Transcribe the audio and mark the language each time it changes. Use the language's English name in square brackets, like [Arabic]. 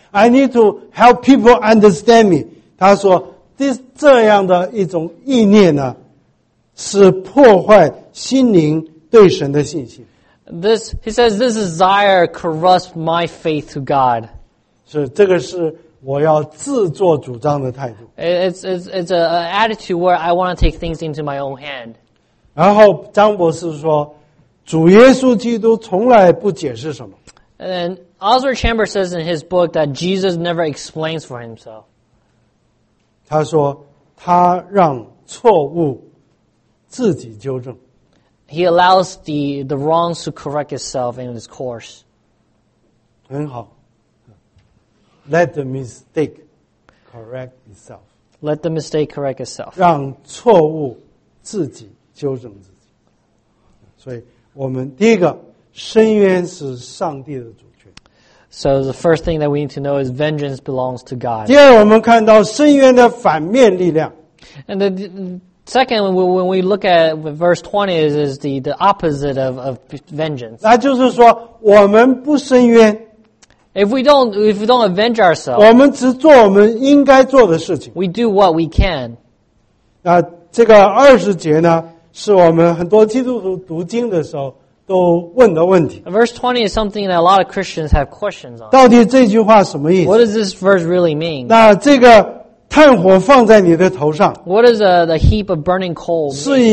[English] I need to help people understand me. [Chinese] 他说这样的一种意念呢是破坏心灵对神的信心。 [English] He says this desire corrupts my faith to God. [Chinese] 是这个是我要自作主张的态度。 [English] It's an attitude where I want to take things into my own hand. [Chinese] 然后张博士说主耶稣基督从来不解释什么。 [English] And Oswald Chambers says in his book that Jesus never explains for himself. [Chinese] 他说他让错误自己纠正。 [English] He allows the wrongs to correct itself in its course. [Chinese] 很好。 [English] Let the mistake correct itself. Let the mistake correct itself. [Chinese] 让错误自己纠正自己。所以我们第一个伸冤是上帝的主权。 [English] So the first thing that we need to know is vengeance belongs to God. [Chinese] 第二，我们看到伸冤的反面力量。 [English] And the Second, when we look at verse 20, is the opposite of vengeance. [Chinese] 那就是说，我们不伸冤。 [English] If we don't avenge ourselves, [Chinese] 我们只做我们应该做的事情。 [English] We do what we can. [Chinese] 那这个20节呢？是我们很多基督徒读经的时候都问的问题。 [English] Verse 20 is something that a lot of Christians have questions on. [Chinese] 到底这句话什么意思？ [English] What does this verse really mean? [Chinese] 那这个炭火放在你的头上。 [English] What is the heap of burning coals?